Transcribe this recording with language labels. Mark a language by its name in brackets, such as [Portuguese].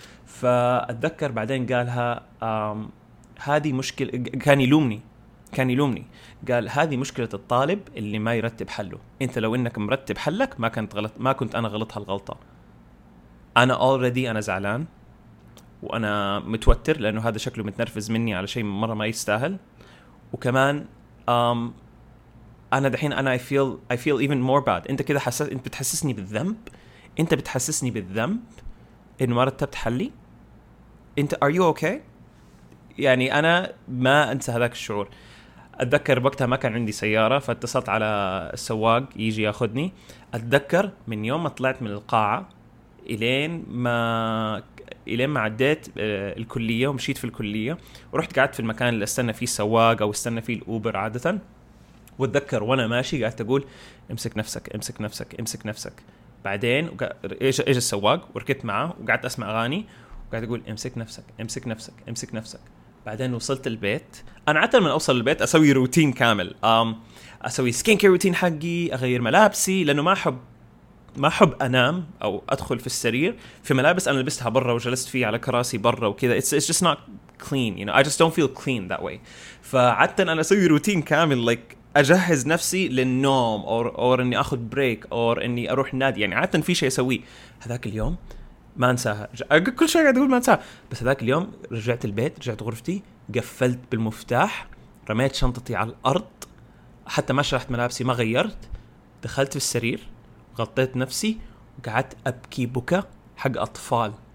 [Arabic] فاتذكر بعدين قالها هذه مشكله, كان يلومني, قال هذه مشكلة الطالب اللي ما يرتب حله, انت لو انك مرتب حلك ما كنت انا غلط هالغلطة. انا [English] already [Arabic] انا زعلان وانا متوتر لانه هذا شكله متنرفز مني على شيء مرة ما يستاهل, وكمان انا دحين انا [English] I feel even more bad. [Arabic] انت كده حسس انت بتحسسني بالذنب, انت بتحسسني بالذنب ان مرتبت حلي. انت [English] are you okay؟ [Arabic] يعني انا ما انسى هذاك الشعور. اتذكر وقتها ما كان عندي سياره, فاتصلت على السواق يجي ياخذني. اتذكر من يوم ما طلعت من القاعه الين ما عديت الكليه ومشيت في الكليه ورحت قعدت في المكان اللي استنى فيه السواق او استنى فيه الاوبر عاده. واتذكر وانا ماشي قعدت اقول امسك نفسك امسك نفسك امسك نفسك. بعدين ايش السواق وركبت معه وقعدت اسمع اغاني وقعدت اقول امسك نفسك امسك نفسك امسك نفسك. بعدين وصلت البيت. انا عاده من اوصل البيت اسوي روتين كامل, اسوي سكين كير روتين حقي, اغير ملابسي لانه ما احب انام او ادخل في السرير في ملابس انا لبستها برا وجلست فيها على كراسي برا وكذا. [English] it's just not clean, you know, I just don't feel clean that way. [Arabic] فعاده انا اسوي روتين كامل [English] like [Arabic] اجهز نفسي للنوم [English] or [Arabic] اني اخذ بريك or اني اروح النادي. يعني عاده في شيء اسوي. هذاك اليوم ما انساها, كل شيء قاعد اقول ما انساها. بس هذاك اليوم رجعت البيت, رجعت غرفتي, قفلت بالمفتاح, رميت شنطتي على الارض, حتى ما شرحت ملابسي, ما غيرت, دخلت في السرير, غطيت نفسي وقعدت ابكي بكا حق اطفال.